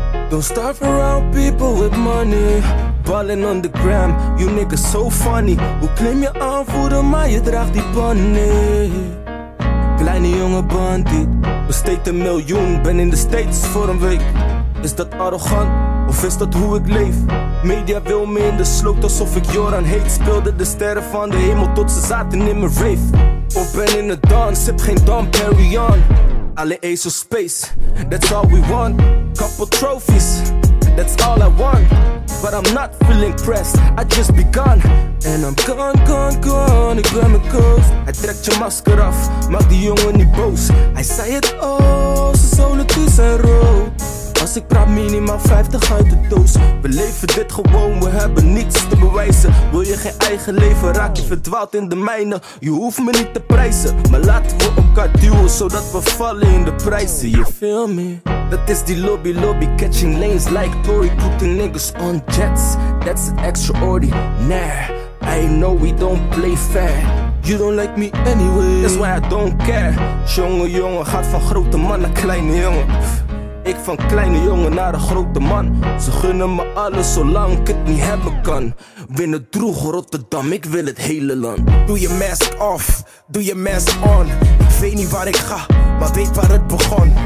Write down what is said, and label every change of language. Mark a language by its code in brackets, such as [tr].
[en] Don't start around people with money. Ballin' on the gram, you niggas so funny. [nl] Hoe claim je aanvoerder, maar je draagt die bunny. Kleine jonge bandy, besteed een miljoen. Ben in de States voor een week. Is dat arrogant, of is dat hoe ik leef? Media wil me in de sloot alsof ik Joran heet. Speelde de sterren van de hemel tot ze zaten in mijn rave. Of ben in de dans, heb geen Dan Perignon. Alleen [en] Ace of Space, that's all we want. Couple trophies, that's all I want. But I'm not feeling pressed, I just begun. And I'm gone, gone, gone, [nl] ik ben mijn coast. Hij trekt je masker af, maak die jongen niet boos. Hij zei het al, zijn zolen toe zijn rood. Als ik praat minimaal 50 uit de doos. We leven dit gewoon, we hebben niets te bewijzen. Wil je geen eigen leven, raak je verdwaald in de mijne. Je hoeft me niet te prijzen, maar laten we elkaar duwen. Zodat we vallen in de prijzen, [en] you feel me? [nl] Dat is die lobby lobby, [en] catching lanes like Tory. Putting niggas on jets, that's extraordinary. I know we don't play fair. You don't like me anyway, that's why I don't care. [nl] Jonge jongen gaat van grote man naar kleine jongen. Ik van kleine jongen naar een grote man. Ze gunnen me alles zolang ik het niet hebben kan. Winnen droeg Rotterdam, ik wil het hele land. Doe je mask off, doe je mask on. Ik weet niet waar ik ga, maar weet waar het begon.